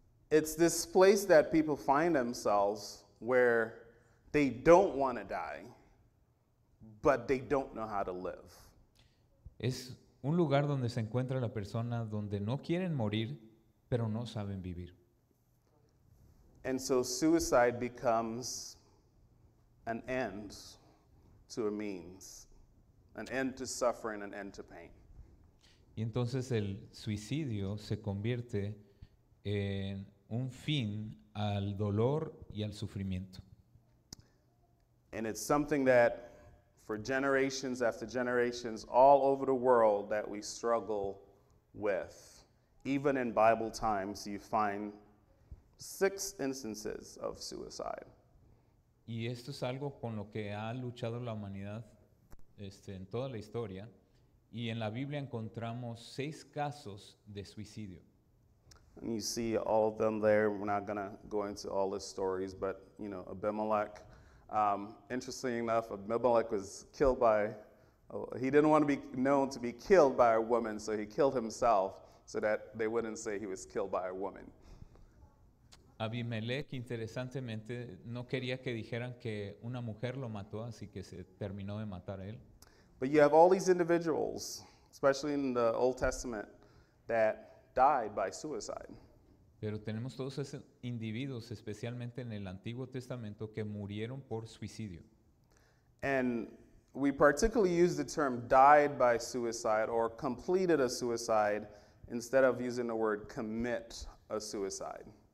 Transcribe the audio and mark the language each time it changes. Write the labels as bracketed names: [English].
[English] It's this place that people find themselves where they don't want to die, but they don't know how to live. [Spanish] Es un lugar donde se encuentra la persona donde no quieren morir, pero no saben vivir. [English] And so suicide becomes an end to a means, an end to suffering, an end to pain. [Spanish] Y entonces el suicidio se convierte en un fin al dolor y al sufrimiento. [English] And it's something that for generations after generations all over the world that we struggle with. Even in Bible times you find 6 instances of suicide. [Spanish] Y esto es algo con lo que ha luchado la humanidad en toda la historia, y en la Biblia encontramos 6 casos de suicidio. [English] And you see all of them there. We're not going to go into all the stories, but, you know, Abimelech. Interestingly enough, Abimelech was killed by, he didn't want to be known to be killed by a woman, so he killed himself so that they wouldn't say he was killed by a woman. [Spanish] Abimelech, interesantemente, no quería que dijeran que una mujer lo mató, así que se terminó de matar a él. [English] But you have all these individuals, especially in the Old Testament, that died by suicide. [Spanish] Pero tenemos todos esos individuos, especialmente en el Antiguo Testamento, que murieron por suicidio. [English] And we particularly use the term died by suicide or completed a suicide instead of using the word commit a suicide.